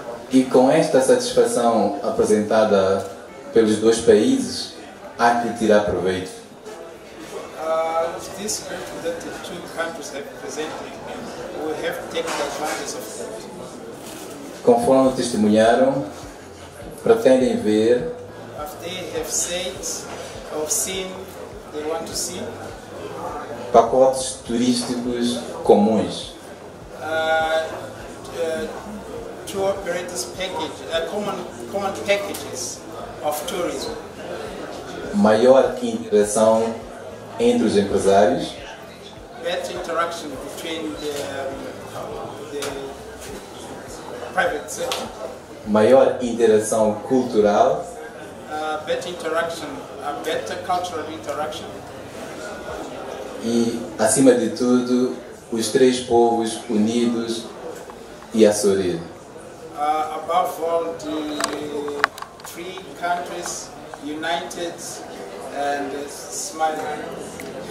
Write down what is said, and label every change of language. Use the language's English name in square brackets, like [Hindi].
[Portuguese] E com esta satisfação apresentada pelos dois países, há que tirar proveito. [English] With this proof that the two countries have presented, we have to take the advantage of that. [Portuguese] Conforme testemunharam, pretendem ver, [English] after they have said or seen, they want to see [Portuguese] pacotes turísticos comuns. [English] Tour operators package, common packages of tourism. [Portuguese] Maior interação entre os empresários. [English] Better interaction between the private sector. [Portuguese] Maior interação cultural. [English] Better cultural interaction. [Portuguese] E, acima de tudo, os três povos unidos e a sorrir. [English] Above all, the three countries united and smiling.